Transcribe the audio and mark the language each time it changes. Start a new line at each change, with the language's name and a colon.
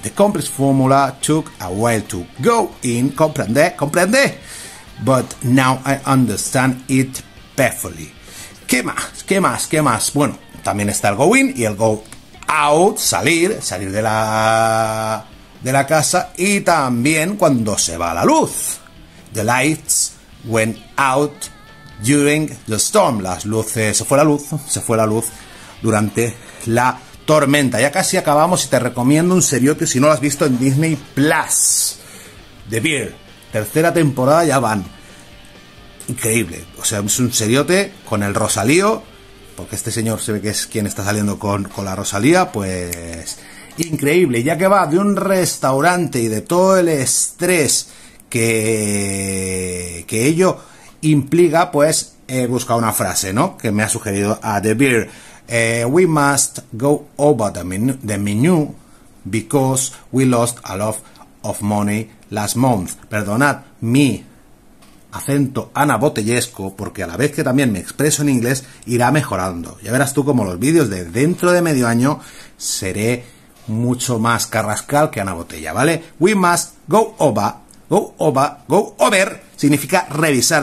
English: The complex formula took a while to go in,
Spanish: comprende, comprende,
English: but now I understand it perfectly.
Spanish: ¿Qué más? ¿Qué más? ¿Qué más? Bueno, también está el go in y el go out, salir de la casa, y también cuando se va la luz.
English: The lights went out during the storm.
Spanish: Las luces, se fue la luz durante la tormenta. Ya casi acabamos y te recomiendo un seriote si no lo has visto en Disney Plus. The Bear, tercera temporada ya van. Increíble, o sea, es un seriote con el Rosalío. Porque este señor se ve que es quien está saliendo con la Rosalía, pues increíble. Ya que va de un restaurante y de todo el estrés que ello implica, pues he buscado una frase, ¿no? Que me ha sugerido a The Beer.
English: We must go over the menu because we lost a lot of money last month.
Spanish: Perdonad mi acento anabotellesco, porque a la vez que también me expreso en inglés, irá mejorando. Ya verás tú cómo los vídeos de dentro de medio año seré mucho más carrascal que anabotella, ¿vale? We must go over, significa revisar.